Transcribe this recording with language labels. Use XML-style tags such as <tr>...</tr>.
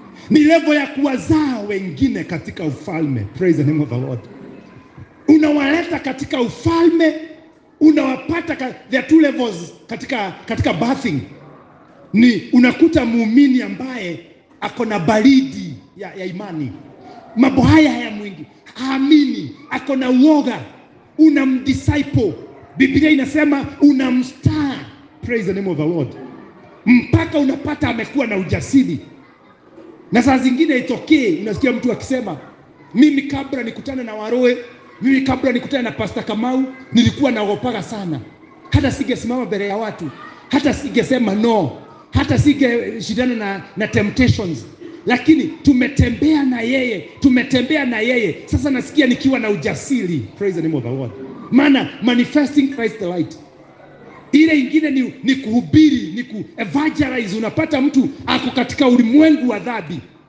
<sw>Ni level ya kuwazaa wengine katika ufalme.</sw> <en>Praise the name of the Lord.</en> <sw>Unawaleta katika ufalme. Unawapata,</sw> <en>there are two levels</en> <sw>katika birthing. Ni unakuta muumini ambaye akona baridi ya imani. Mambo haya haya mwingi. Haamini, akona uoga. Unamdisciple. Biblia inasema unamstar.</sw> <en>Praise the name of the Lord.</en> <sw>Mpaka unapata amekuwa na ujasiri. Na saa zingine itokee, unasikia mtu akisema, mimi kabla nikutane na Waroe, mimi kabla nikutane na Pastor Kamau, nilikuwa naogopa sana. Hata sigesimama mbele ya watu, hata sigesema no, hata sigeshindana na temptations. Lakini tumetembea na yeye, tumetembea na yeye. Sasa nasikia nikiwa na ujasiri.</sw> <en>Praise the name of the Lord.</en> <sw>Mana</sw> <en>manifesting Christ the light.</en> <sw>Ile ingine ni kuhubiri, ni kuevangelize. Unapata mtu ako katika ulimwengu wa dhabi.</sw>